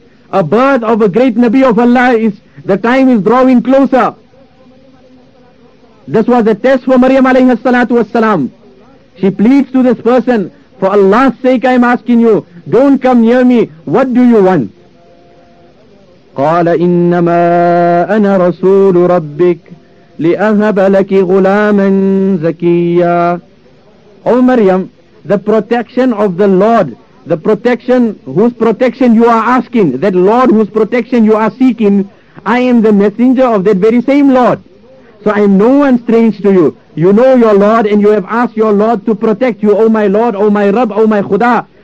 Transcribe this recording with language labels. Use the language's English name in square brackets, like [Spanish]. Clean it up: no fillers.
[English] A birth of a great Nabi of Allah, the time is drawing closer. This was a test for Maryam alayhi salatu wasalam. She pleads to this person, for Allah's sake I am asking you, don't come near me, what do you want? [Arabic] قال إنما أنا رسول ربك لأهب لك غلاما زكيا. [English] O Maryam, the protection of the Lord, the protection whose protection you are asking, that Lord whose protection you are seeking, I am the messenger of that very same Lord. So I am no one strange to you. You know your Lord and you have asked your Lord to protect you. O my Lord, O my Rabb, O my Khuda.